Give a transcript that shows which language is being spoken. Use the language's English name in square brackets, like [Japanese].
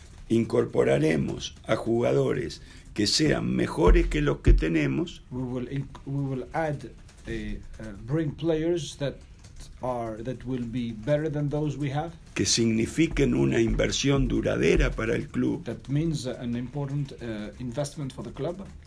[Spanish] Incorporaremos a jugadores que sean mejores que los que tenemos. [English] We will bring players that will be better than those we have, [Spanish] que signifiquen una inversión duradera para el club. [English] That means an important investment for the club.